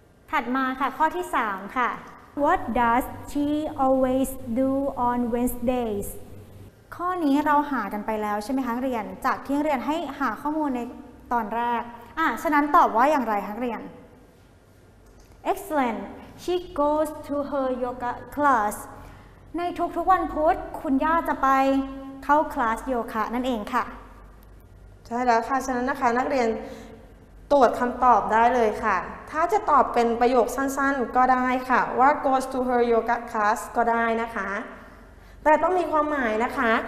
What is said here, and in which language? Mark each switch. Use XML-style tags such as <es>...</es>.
<th>ถัดมาค่ะข้อที่3ค่ะ</th> <en>What does she always do on Wednesdays?</en> <th>ข้อนี้เราหากันไปแล้วใช่ไหมคะเรียนจากที่เรียนให้หาข้อมูลในตอนแรกฉะนั้นตอบว่าอย่างไรคะเรียน</th> <en>Excellent. She goes to her yoga class.</en> <th>ในทุกๆวันพุธคุณย่าจะไปเข้าคลาสโยคะนั่นเองค่ะ ใช่แล้วค่ะฉะนั้นนะคะนักเรียนตรวจคำตอบได้เลยค่ะถ้าจะตอบเป็นประโยคสั้นๆก็ได้ค่ะว่า</th> <en>goes to her yoga class</en> <th>ก็ได้นะคะแต่ต้องมีความหมายนะคะ</th>